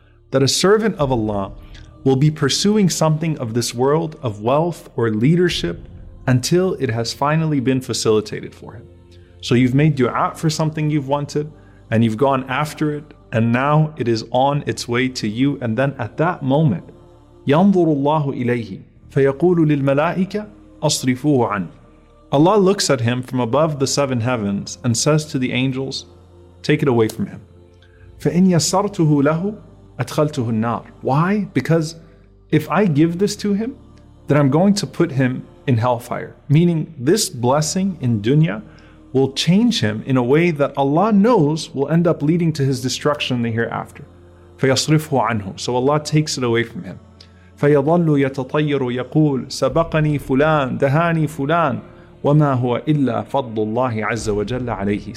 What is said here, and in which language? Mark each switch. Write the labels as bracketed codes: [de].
[en] That a servant of Allah will be pursuing something of this world of wealth or leadership until it has finally been facilitated for him. So you've made dua for something you've wanted and you've gone after it, and now it is on its way to you. And then at that moment, [ar] ينظر الله إليه فيقول للملائكة أصرفوه عني. [en] Allah looks at him from above the seven heavens and says to the angels, take it away from him. [ar] فإن يسرته له أدخلته النار. [en] Why? Because if I give this to him, then I'm going to put him in hellfire. Meaning this blessing in dunya will change him in a way that Allah knows will end up leading to his destruction in the hereafter. [ar] فَيَصْرِفْهُ عَنْهُ. [en] So Allah takes it away from him. [ar] فَيَضَلُّ يَتَطَيَّرُ يَقُولُ سَبَقَنِي فُلَانْ دَهَانِي فُلَانْ وَمَا هُوَ إِلَّا فَضْلُ اللَّهِ عَزَّ وَجَلَّ عَلَيْهِ.